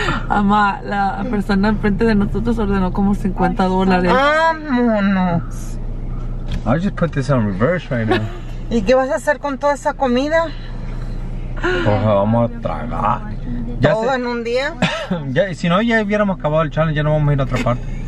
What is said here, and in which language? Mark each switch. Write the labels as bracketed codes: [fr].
[es] Ama, la persona enfrente de nosotros ordenó como $50. Vámonos. [en] I just put this on reverse right now. [es] ¿Y qué vas a hacer con toda esa comida? Vamos a tragar. ¿Todo se... en un día? Ya, si no, ya hubiéramos acabado el challenge, ya no vamos a ir a otra parte.